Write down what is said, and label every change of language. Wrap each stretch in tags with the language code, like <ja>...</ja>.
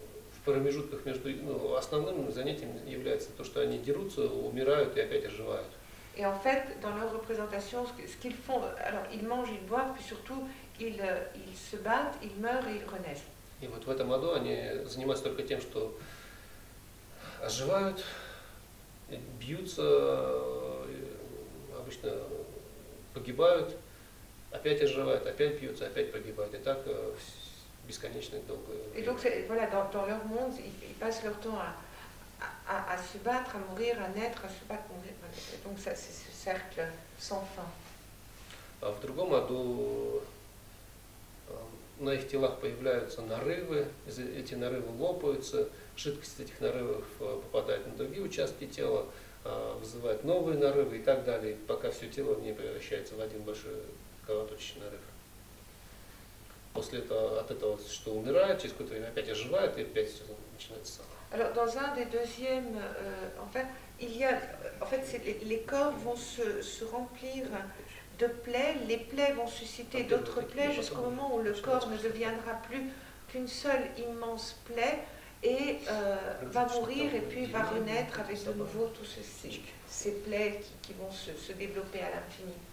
<ru>В промежутках между, ну, основным занятием является то, что они дерутся, умирают и опять оживают.</ru> <fr>Et en fait, dans leur représentation, ce qu'ils font, alors ils mangent, ils boivent, puis surtout ils se battent, ils meurent et ils renaissent.</fr> <ru>И вот в этом аду они занимаются только тем, что оживают, бьются, обычно погибают, опять оживают, опять бьются, опять погибают. И так бесконечно долго.</ru> <fr>И donc voilà, dans leur monde, ils passent leur temps à se battre, à mourir, à naître, à se battre, mourir. Donc ça, c'est ce cercle sans fin.</fr> <ru>А в другом аду на их телах появляются нарывы, эти нарывы лопаются, жидкость этих нарывов попадает на другие участки тела, вызывает новые нарывы и так далее, пока все тело не превращается в один большой кровоточный нарыв. После этого, от этого, что умирает, через какое-то время опять оживает, и опять все начинается само.</ru> <fr>Alors, dans un des deuxièmes, enfin, il y a, en fait, les corps vont se remplir de plaies, les plaies vont susciter d'autres plaies jusqu'au moment où le corps ne deviendra plus qu'une seule immense plaie et va mourir et puis va renaître avec de nouveau tous ces plaies qui vont se développer à l'infini.</fr>